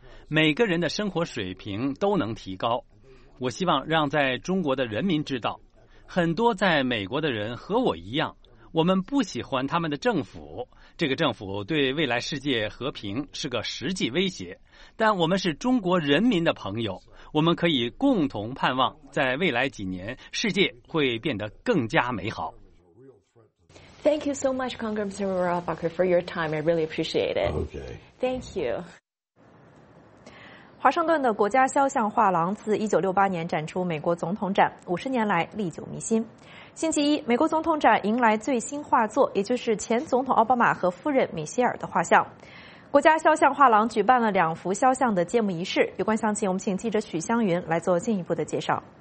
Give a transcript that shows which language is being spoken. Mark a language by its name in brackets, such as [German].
[Chinese] 每个人的生活水平都能提高，我希望让在中国的人民知道，很多在美国的人和我一样，我们不喜欢他们的政府，这个政府对未来世界和平是个实际威胁，但我们是中国人民的朋友，我们可以共同盼望在未来几年世界会变得更加美好。 [English] Thank you so much, Congressman Rohrabacher, for your time. I really appreciate it. Okay. Thank you. [Chinese] 华盛顿的国家肖像画廊自1968年展出美国总统展，50年来历久弥新。星期一，美国总统展迎来最新画作，也就是前总统奥巴马和夫人米歇尔的画像。国家肖像画廊举办了两幅肖像的揭幕仪式，有关详情我们请记者许湘云来做进一步的介绍。